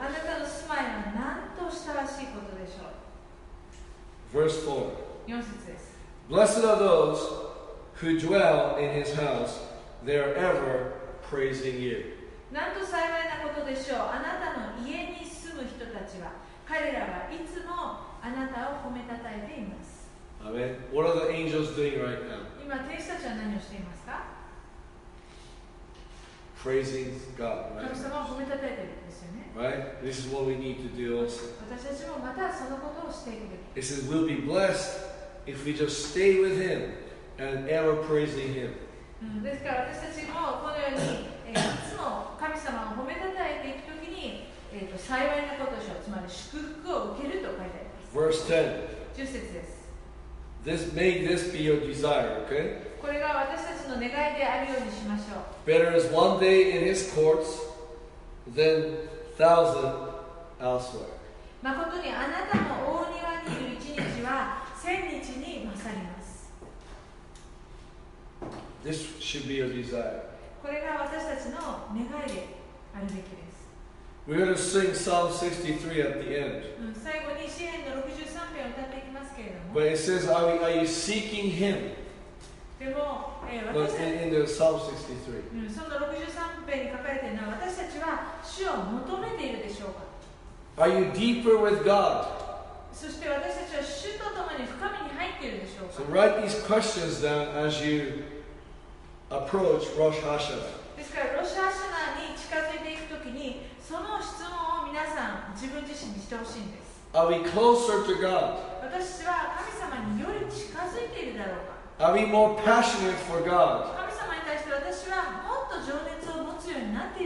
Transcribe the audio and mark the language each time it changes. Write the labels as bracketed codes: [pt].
[ja] あなたの住まいはなんと親しいことでしょう。 [en] Verse 4. [ja] 四節です。 [en] Blessed are those who dwell in his house. They are ever praising you. [ja] なんと幸いなことでしょう。あなたの家に住む人たちは、彼らはいつもあなたを褒めたたえています。 [en] Amen. What are the angels doing right now? [ja] 今天使たちは何をしていますか？ [en] Praising God, right? [ja] 神様を褒めたたえてるんですよね。 [en] Right? This is what we need to do also. [ja] 私たちもまたそのことをしていくべき。 [en] It says we'll be blessed if we just stay with Him and ever praising Him. [ja] ですから私たちもこのようにいつも神様を褒めたたえていくときに、幸いなことでしょう。つまり祝福を受けると書いてあります。 [en] Verse 10. [ja] 十節です。 [en] This, may this be your desire, okay? [ja] これが私たちの願いであるようにしましょう。 [en] Better is one day in his courts than thousand elsewhere. [ja] 誠にあなたの大庭にいる一日は千日に勝ります。 [en] This should be your desire. [ja] これが私たちの願いであるべきです。 [en] We're going to sing Psalm 63 at the end. [ja] 最後に詩篇の63編を歌っていきますけれども。 [en] But it says, are you seeking him? [ja] でも、 [en] But in the Psalm 63, are you deeper with God? [ja] そして私たちは主と共に深みに入っているでしょうか。 [en] So write these questions down as you approach Rosh Hashanah. [ja] ですから、ロシハシナに近づいていくときに、その質問を皆さん自分自身にしてほしいんです。 [en] Are we closer to God? [ja] 私は神様により近づいているだろうか。 [en] Are we more passionate for God? [ja] 神様に対して私はもっと情熱を持つようになっている